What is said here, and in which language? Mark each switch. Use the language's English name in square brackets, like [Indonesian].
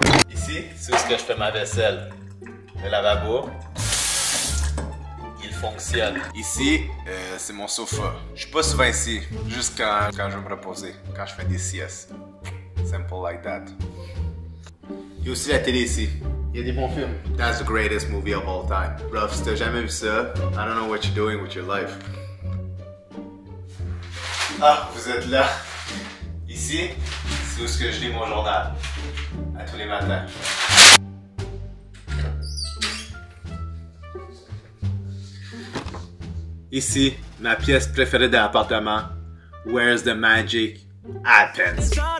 [French] Ici, c'est où ce que je fais ma vaisselle. Le lavabo, il fonctionne. Ici, c'est mon sofa. Je suis pas souvent ici, juste quand je veux me reposer, quand je fais des siestes. [English] Simple like that. [French] Il y a aussi la télé ici. Il y a des bons films. [English] That's the greatest movie of all time. Bro, si t'as jamais vu ça, I don't know what you're doing with your life. [French] Ah, vous êtes là. Ici, c'est où ce que je lis mon journal, à tous les matins. Ici, ma pièce préférée de l'appartement. [English] Where's the magic happens?